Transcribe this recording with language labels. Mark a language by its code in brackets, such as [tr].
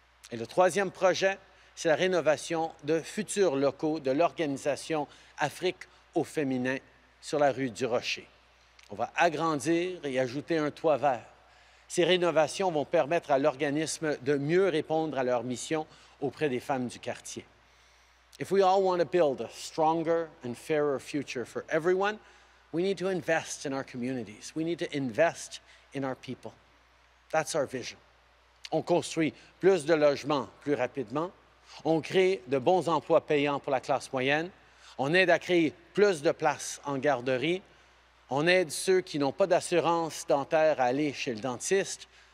[fr] Et le troisième projet, c'est la rénovation de futurs locaux de l'organisation Afrique au féminin sur la rue du Rocher. On va agrandir et ajouter un toit vert. Ces rénovations vont permettre à l'organisme de mieux répondre à leur mission auprès des femmes du quartier. [en] If we all want to build a stronger and fairer future for everyone, we need to invest in our communities. We need to invest in our people. That's our vision. [fr] On construit plus de logements plus rapidement. On crée de bons emplois payants pour la classe moyenne. On aide à créer plus de places en garderie. On aide ceux qui n'ont pas d'assurance dentaire à aller chez le dentiste.